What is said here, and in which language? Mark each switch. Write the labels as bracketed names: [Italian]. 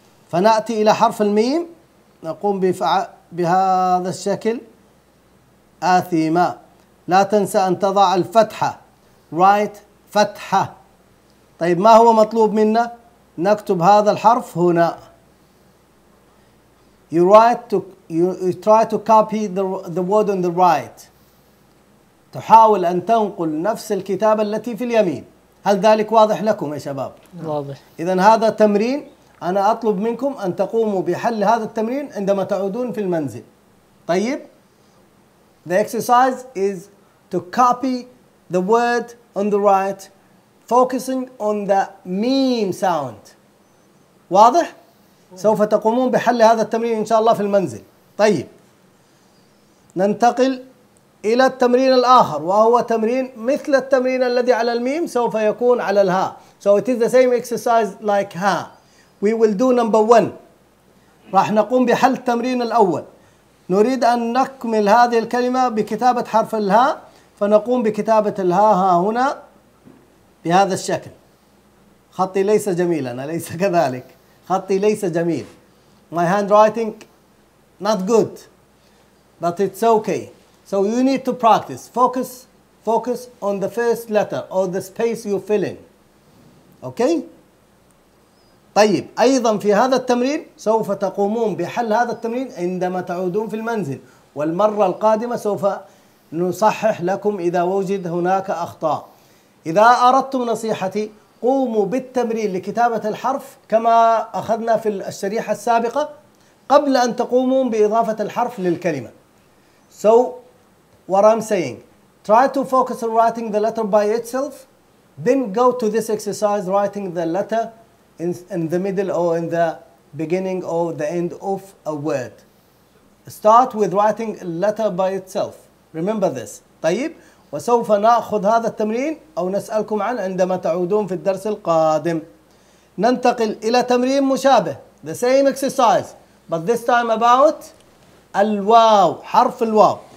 [Arabic] فنأتي إلى حرف الميم، نقوم بهذا الشكل أثيما. لا تنسى أن تضع الفتحة، write فتحة. طيب ما هو مطلوب منا؟ نكتب هذا الحرف هنا. [English] You try to copy the word on the right. [Arabic] تحاول أن تنقل نفس الكتابة التي في اليمين. هل ذلك واضح لكم يا شباب؟ واضح. إذن هذا تمرين، أنا أطلب منكم أن تقوموا بحل هذا التمرين عندما تعودون في المنزل. [English] طيب the exercise is to copy the word on the right focusing on the meme sound. [Arabic] واضح؟ سوف تقومون بحل هذا التمرين إن شاء الله في المنزل. طيب ننتقل إلى التمرين الآخر، وهو تمرين مثل التمرين الذي على الميم، سوف يكون على الها. [English] So it is the same exercise like ha. We will do number one. [Arabic] راح نقوم بحل التمرين الأول. نريد أن نكمل هذه الكلمة بكتابة حرف الها، فنقوم بكتابة الها ها هنا بهذا الشكل. خطي ليس جميلا، أليس كذلك؟ خطي ليس جميل. [English] My handwriting not good, but it's okay. So you need to practice. Focus on the first letter or the space you fill in. Okay? [Arabic] طيب أيضا في هذا التمرين سوف تقومون بحل هذا التمرين عندما تعودون في المنزل، والمرة القادمة سوف نصحح لكم إذا وجد هناك أخطاء. إذا أردتم نصيحتي قوموا بالتمرين لكتابة الحرف كما أخذنا في الشريحة السابقة قبل أن تقوموا بإضافة الحرف للكلمة. [English] So what I'm saying, try to focus on writing the letter by itself, then go to this exercise writing the letter in the middle or in the beginning or the end of a word. Start with writing a letter by itself. Remember this. [Arabic] طيب وسوف نأخذ هذا التمرين أو نسألكم عن عندما تعودون في الدرس القادم. ننتقل إلى تمرين مشابه. [English] The same exercise, but this time about الواو، حرف الواو.